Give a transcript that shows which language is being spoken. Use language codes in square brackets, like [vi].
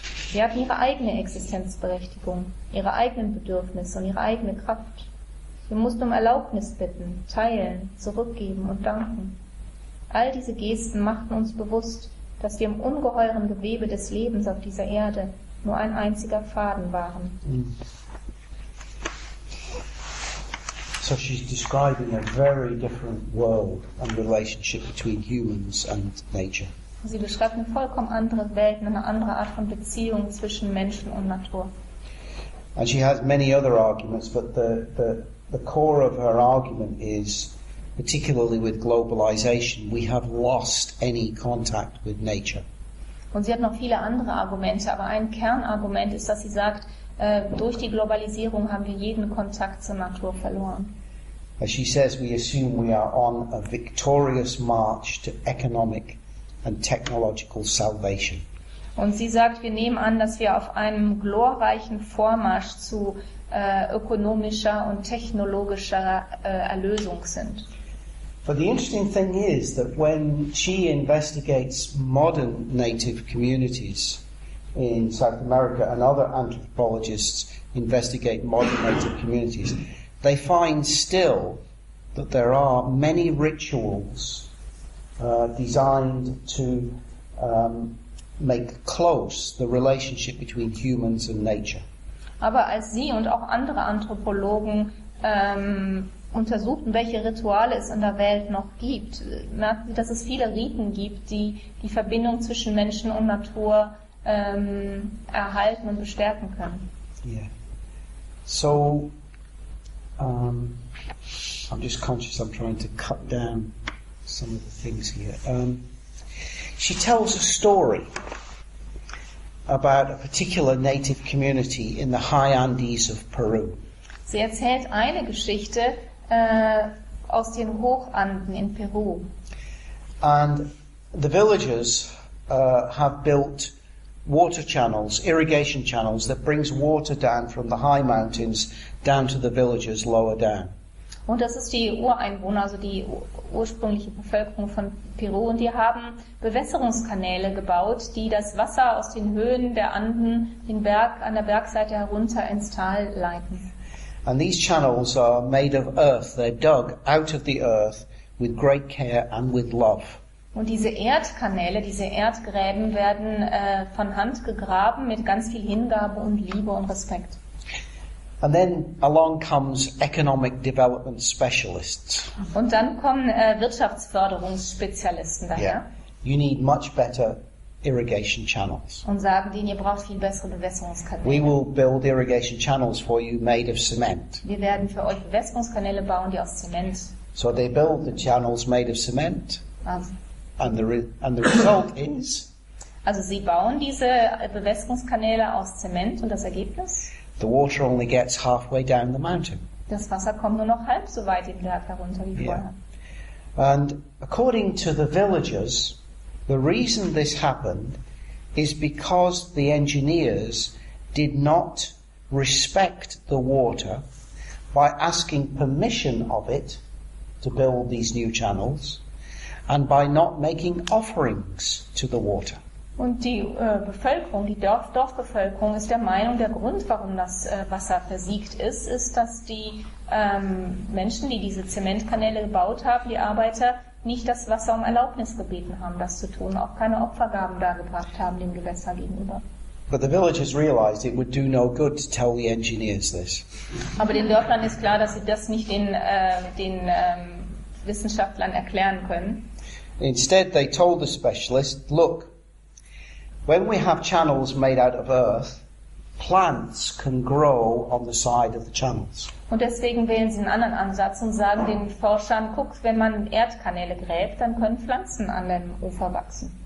[de] Sie hatten ihre eigene Existenzberechtigung, ihre eigenen Bedürfnisse und ihre eigene Kraft. Wir mussten um Erlaubnis bitten, teilen, zurückgeben und danken. All diese Gesten machten uns bewusst, dass wir im ungeheuren Gewebe des Lebens auf dieser Erde nur ein einziger Faden waren. [en] So she's describing a very different world and relationship between humans and nature. [de] Sie beschreibt eine vollkommen andere Welt, eine andere Art von Beziehung zwischen Menschen und Natur. [en] And she has many other arguments, but the core of her argument is, particularly with globalization, we have lost any contact with nature. [de] Und sie hat noch viele andere Argumente, aber ein Kernargument ist, dass sie sagt, durch die Globalisierung haben wir jeden Kontakt zur Natur verloren. [en] As she says, we assume we are on a victorious march to economic and technological salvation. [de] Und sie sagt, wir nehmen an, dass wir auf einem glorreichen Vormarsch zu ökonomischer und technologischer Erlösung sind. [en] But the interesting thing is that when she investigates modern native communities in South America and other anthropologists investigate modern native communities, they find still that there are many rituals designed to make close the relationship between humans and nature. [de] Aber als sie und auch andere Anthropologen untersuchten, welche Rituale es in der Welt noch gibt, merkten sie, dass es viele Riten gibt, die die Verbindung zwischen Menschen und Natur erhalten und bestärken können. [en] Yeah. So, I'm just conscious I'm trying to cut down some of the things here. She tells a story about a particular native community in the high Andes of Peru. [de] Sie erzählt eine Geschichte aus den Hochanden in Peru. [en] And the villagers have built water channels, irrigation channels that brings water down from the high mountains down to the villages lower down. [de] Und das ist die Ureinwohner, also die ursprüngliche Bevölkerung von Peru, und die haben Bewässerungskanäle gebaut, die das Wasser aus den Höhen der Anden den Berg an der Bergseite herunter ins Tal leiten. [en] And these channels are made of earth, they're dug out of the earth with great care and with love. [de] Und diese Erdkanäle, diese Erdgräben werden von Hand gegraben mit ganz viel Hingabe und Liebe und Respekt. [en] And then along comes economic development specialists. [de] Und dann kommen Wirtschaftsförderungsspezialisten daher. Yeah. [en] You need much better irrigation channels. [de] Und sagen denen, ihr braucht viel bessere Bewässerungskanäle. [en] We will build irrigation channels for you made of cement. [de] Wir werden für euch Bewässerungskanäle bauen, die aus Zement. [en] So they build the channels made of cement. And the result is. [de] Also sie bauen diese Bewässerungskanäle aus Zement, und das Ergebnis? [en] The water only gets halfway down the mountain. [de] Das Wasser kommt nur noch halb so weit den Berg herunter wie vorher. [en] And according to the villagers, the reason this happened is because the engineers did not respect the water by asking permission of it to build these new channels and by not making offerings to the water. [de] Und die Bevölkerung, die Dorfbevölkerung, ist der Meinung, der Grund, warum das Wasser versiegt ist, ist, dass die Menschen, die diese Zementkanäle gebaut haben, die Arbeiter, nicht das Wasser um Erlaubnis gebeten haben, das zu tun, auch keine Opfergaben dargebracht haben dem Gewässer gegenüber. [en] But the villagers realized it would do no good to tell the engineers this. [de] Aber den Dörflern ist klar, dass sie das nicht den Wissenschaftlern erklären können. [en] Instead, they told the specialist, look, when we have channels made out of earth, plants can grow on the side of the channels. [de] Und deswegen wählen sie einen anderen Ansatz und sagen den Forschern, guck, wenn man Erdkanäle gräbt, dann können Pflanzen an dem Ufer wachsen.